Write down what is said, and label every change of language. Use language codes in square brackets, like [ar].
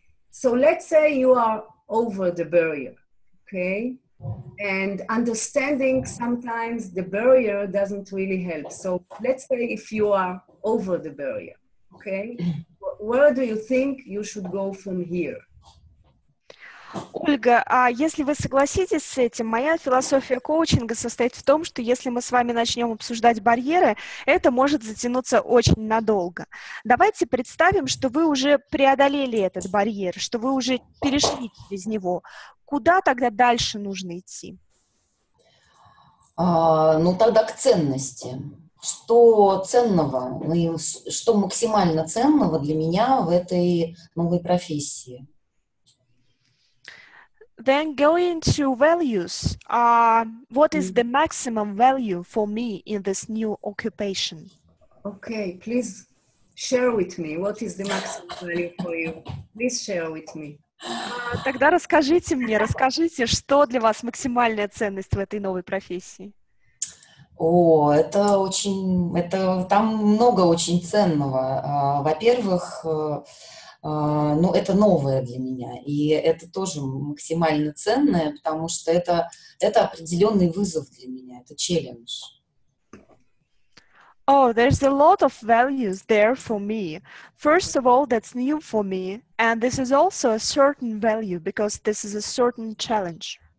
[en] So let's say you are over the barrier, okay? And understanding sometimes the barrier doesn't really help. So let's say if you are over the barrier. Okay, where do you think you should go from here? [ru] Ольга, а если вы согласитесь с этим, моя философия коучинга состоит в том, что если мы с вами начнем обсуждать барьеры, это может затянуться очень надолго. Давайте представим, что вы уже преодолели этот барьер, что вы уже перешли через него. Куда тогда дальше нужно идти? Тогда к ценности. Что ценного, что максимально ценного для меня в этой новой профессии? [en] Then going to values, what is the maximum value for me in this new occupation? Okay, please share with me, what is the maximum value for you? Please share with me. [ru] Тогда расскажите мне, расскажите, что для вас максимальная ценность в этой новой профессии? Там много очень ценного. Во-первых, это новое для меня, и это тоже максимально ценное, потому что это определенный вызов для меня, это челлендж. [en] Oh, there's a lot of values there for me. First of all, that's new for me, and this is also a certain value, because this is a certain challenge.